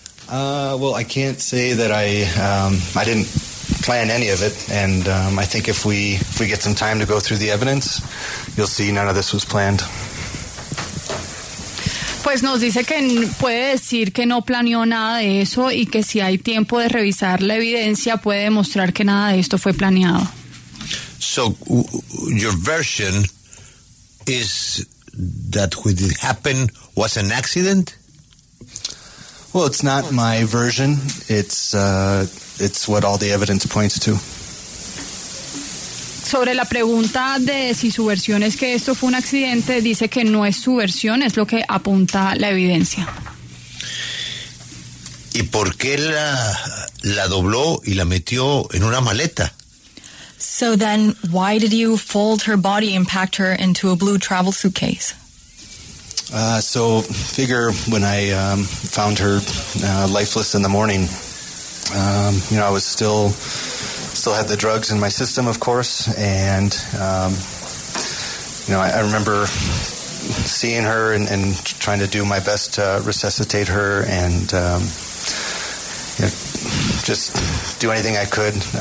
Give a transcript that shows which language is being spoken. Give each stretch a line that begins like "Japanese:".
English: Well, I can't say that I didn't plan any of it, and I think if we get some time to go through the evidence, you'll see none of this was planned.
Spanish: Pues nos dice que puede decir que no planeó nada de eso y que si hay tiempo de revisar la evidencia puede demostrar que nada de esto fue planeado.
English: So your version is that what it happened was an accident? Well, it's not my version. It's what all the evidence points to.
Spanish: Sobre la pregunta de si su versión es que esto fue un accidente, dice que no es su versión, es lo que apunta la evidencia. ¿Y por qué la dobló y la metió en una maleta?
English: So then, why did you fold her body and pack her into a blue travel suitcase? So figure when I found her lifeless in the morning, you know, I was still had the drugs in my system, of course, and you know, I remember seeing her and trying to do my best to resuscitate her and you know, just do anything I could.